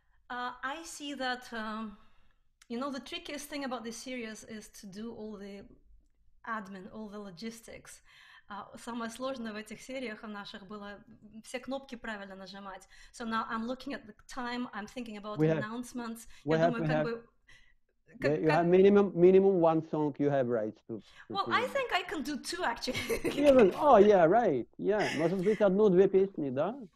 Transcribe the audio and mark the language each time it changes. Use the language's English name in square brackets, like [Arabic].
[English] I see that you know, the trickiest thing about this series is to do all the admin, all the logistics. [Russian] Самое сложное в этих сериях наших было все кнопки правильно нажимать. [English] So now I'm looking at the time, I'm thinking about we the announcements. We have, [Russian] думаю, [English] we have. You have minimum one song you have rights to. Well, sing. I think I can do two, actually. Even, oh, yeah, right. [Russian] Yeah, может быть, одну-две песни, да?